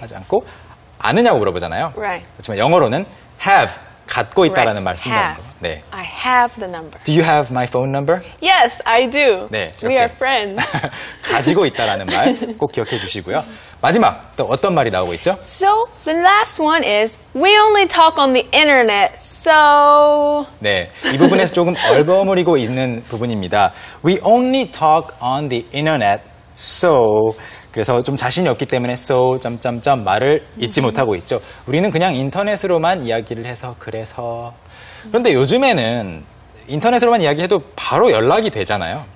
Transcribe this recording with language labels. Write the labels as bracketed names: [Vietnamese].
[Korean] 하지 않고 아느냐고 물어보잖아요. [English] Right. [Korean] 그렇지만 영어로는 have, 갖고 있다라는 [English] right. [Korean] 말씀이죠. [English] 네. I have the number. Do you have my phone number? Yes, I do. [Korean] 네, [English] we are friends. [Korean] 가지고 있다라는 말 꼭 기억해 주시고요. 마지막 또 어떤 말이 나오고 있죠? [English] So the last one is we only talk on the internet. So [Korean] 네, 이 부분에서 조금 얼버무리고 있는 부분입니다. [English] We only talk on the internet. [Korean] So 그래서 좀 자신이 없기 때문에 so 점점점 말을 잊지 못하고 있죠. 우리는 그냥 인터넷으로만 이야기를 해서 그래서 그런데 요즘에는 인터넷으로만 이야기해도 바로 연락이 되잖아요.